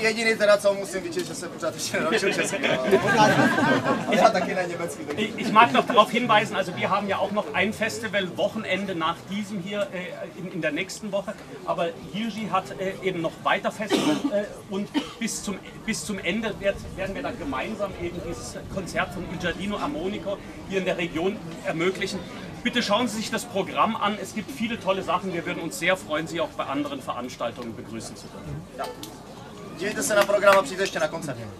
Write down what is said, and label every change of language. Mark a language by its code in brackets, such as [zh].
[cs] Jediný teda, co musím vyčít, že se pořád ještě naučil česky. [de] Ich hatte keine Niemetzki. Ich mag noch darauf hinweisen, also wir haben ja auch noch ein Festival Wochenende nach diesem hier in der nächsten Woche, aber Jiří hat eben noch weiter Festival und bis zum Ende werden wir dann gemeinsam eben dieses Konzert von Il Giardino Armonico hier in der Region ermöglichen. Bitte schauen Sie sich das Programm an. Es gibt viele tolle Sachen. Wir würden uns sehr freuen, Sie auch bei anderen Veranstaltungen begrüßen zu dürfen. Ja. [cs] Dívejte se na program a přijďte ještě na koncert.